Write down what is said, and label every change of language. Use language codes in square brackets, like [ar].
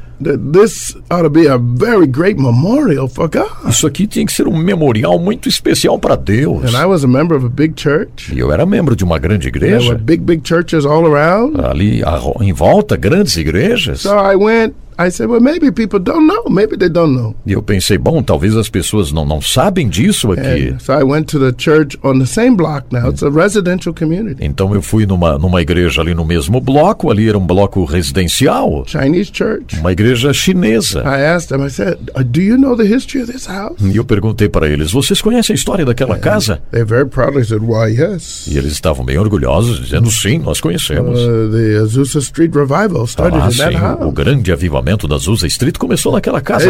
[en] This ought to be a very great memorial for God. [pt] Isso aqui tinha que ser um memorial muito especial para Deus. [en] And I was a member of a big church. [pt] E eu era membro de uma grande igreja. [en] There were big churches all around. [pt] Ali em volta, grandes igrejas. [en] So I went. I said, well, maybe people don't know. Maybe they don't know. [pt] E eu pensei, bom, talvez as pessoas não sabem disso aqui. [en] And so I went to the church on the same block now. It's a residential community. [pt] Então eu fui numa igreja ali no mesmo bloco. Ali era um bloco residencial. [en] Chinese church. [pt] Uma igreja chinesa. [en] I asked them, I said, do you know the history of this house? [pt] E eu perguntei para eles, vocês conhecem a história daquela [en] and [pt] casa? [en] They very proudly said, why, yes. [pt] E eles estavam bem orgulhosos, dizendo, sim, nós conhecemos. [en] The Azusa Street Revival started ah, in that [pt] sim, [en] house. [pt] O grande avivamento da Azusa Street começou naquela casa